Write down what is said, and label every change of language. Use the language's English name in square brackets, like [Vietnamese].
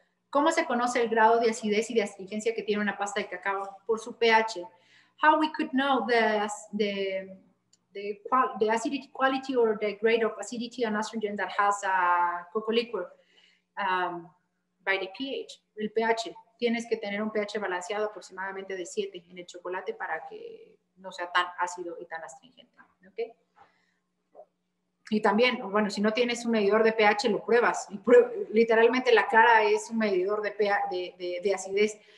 [Spanish] ¿Cómo se conoce el grado de acidez y de astringencia que tiene una pasta de cacao? Por su pH. [English] How we could know the acidity quality or the grade of acidity and astringent that has a cocoa liquor? By the pH, el pH. [Spanish] Tienes que tener un pH balanceado aproximadamente de 7 en el chocolate para que no sea tan ácido y tan astringente. ¿Okay? Y también, bueno, si no tienes un medidor de pH, lo pruebas. Y literalmente la cara es un medidor de pH, de acidez.